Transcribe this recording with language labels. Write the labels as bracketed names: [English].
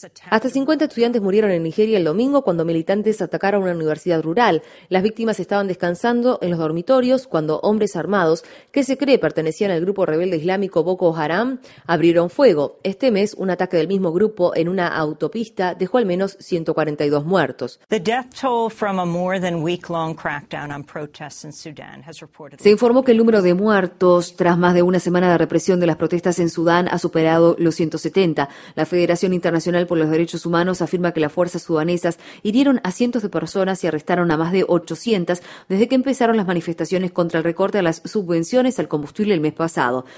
[Spanish] Hasta 50 estudiantes murieron en Nigeria el domingo cuando militantes atacaron una universidad rural. Las víctimas estaban descansando en los dormitorios cuando hombres armados, que se cree pertenecían al grupo rebelde islámico Boko Haram, abrieron fuego. Este mes, un ataque del mismo grupo en una autopista dejó al menos 142 muertos. [English] The death toll from a more than week-long crackdown on protests in Sudan has reported. [Spanish] Se informó que el número de muertos tras más de una semana de represión de las protestas en Sudán ha superado los 170. La Federación Internacional por los Derechos Humanos afirma que las fuerzas sudanesas hirieron a cientos de personas y arrestaron a más de 800 desde que empezaron las manifestaciones contra el recorte a las subvenciones al combustible el mes pasado.